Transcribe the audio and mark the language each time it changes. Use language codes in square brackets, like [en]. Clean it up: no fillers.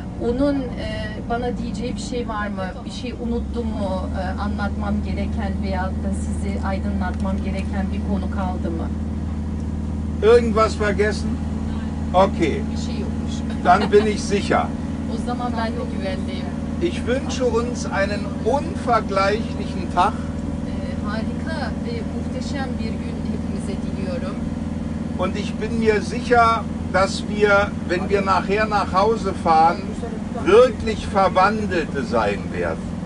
[tr] Onun bana diyeceği bir şey var mı? Bir şey unuttum mu? Anlatmam gereken veya da sizi aydınlatmam gereken bir konu kaldı mı? [de] Irgendwas vergessen? Okay. [tr] Bir şey yokmuş. [de] Dann bin ich sicher. [tr] O zaman ben de güvendeyim. [de] Ich wünsche uns einen unvergleichlichen Tag. [tr] Harika ve muhteşem bir gün hepimize diliyorum. [de] Und ich bin mir sicher, dass wir, wenn wir nachher nach Hause fahren, wirklich Verwandelte sein werden.